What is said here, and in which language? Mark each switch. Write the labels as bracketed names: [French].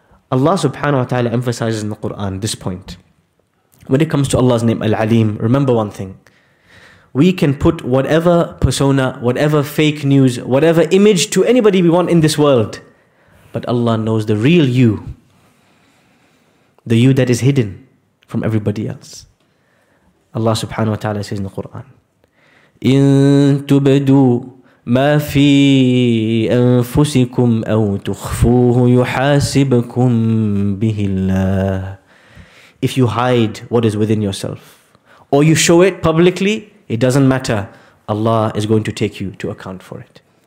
[English] Allah subhanahu wa ta'ala emphasizes in the Quran this point. When it comes to Allah's name, Al-Alim, remember one thing. We can put whatever persona, whatever fake news, whatever image to anybody we want in this world. But Allah knows the real you. The you that is hidden from everybody else. Allah subhanahu wa ta'ala says in the Quran, [Arabic] إِن تُبَدُوا مَا فِي أَنفُسِكُمْ أَوْ تُخْفُوهُ يُحَاسِبَكُمْ بِهِ اللَّهِ. [English] If you hide what is within yourself, or you show it publicly, it doesn't matter. Allah is going to take you to account for it.